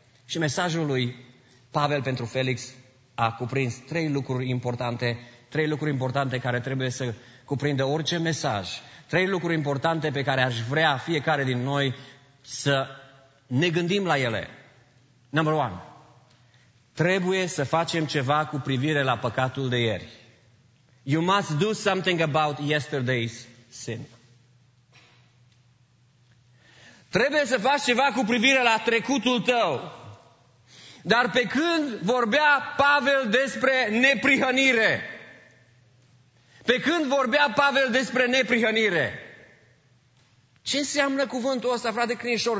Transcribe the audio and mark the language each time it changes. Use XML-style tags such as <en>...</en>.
<ro>Și mesajul lui Pavel pentru Felix a cuprins trei lucruri importante, trei lucruri importante care trebuie să cuprindă orice mesaj, trei lucruri importante pe care aș vrea fiecare din noi să ne gândim la ele.</ro> <en>Number one,</en> <ro>trebuie să facem ceva cu privire la păcatul de ieri.</ro> <en>You must do something about yesterday's sin.</en> <ro>Trebuie să faci ceva cu privire la trecutul tău. Dar pe când vorbea Pavel despre neprihănire? Pe când vorbea Pavel despre neprihănire? Ce înseamnă cuvântul ăsta, frate Crinșor?</ro>